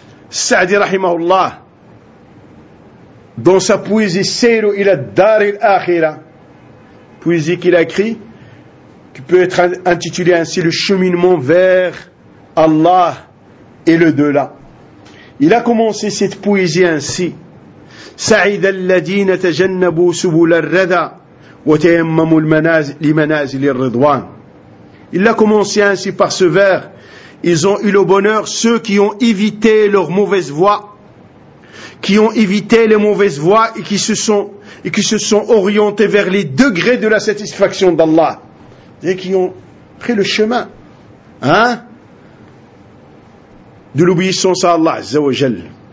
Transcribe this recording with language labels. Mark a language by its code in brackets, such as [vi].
[fr] Sa'di rahimahullah, dans sa poésie Sayru ila Dar al-Akhirah, poésie qu'il a écrit, qui peut être intitulée ainsi, le cheminement vers Allah et le delà. Il a commencé cette poésie ainsi. [ar] سعيد الذين تجنبوا سبل الردى وتيمموا لمنازل الرضوان. [fr] Il a commencé ainsi par ce vers. Ils ont eu le bonheur ceux qui ont évité leurs mauvaises voies, qui ont évité les mauvaises voies et qui se sont orientés vers les degrés de la satisfaction d'Allah. Et qui ont pris le chemin, hein, de l'obéissance à Allah, Azza wa Jal.